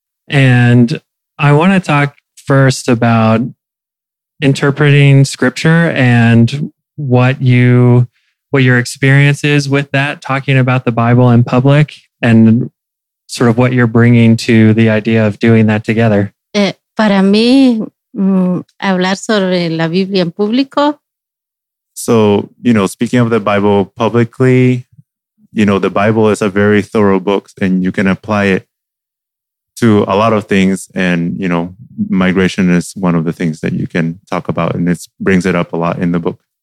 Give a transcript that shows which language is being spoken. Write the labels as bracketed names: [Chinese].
[English] And I want to talk first about interpreting scripture and what your experience is with that, talking about the Bible in public and sort of what you're bringing to the idea of doing that together. [Spanish] Para mí, hablar sobre la Biblia en público. [English] So, you know, speaking of the Bible publicly, you know, the Bible is a very thorough book and you can apply it to a lot of things. And, you know, migration is one of the things that you can talk about, and it brings it up a lot in the book.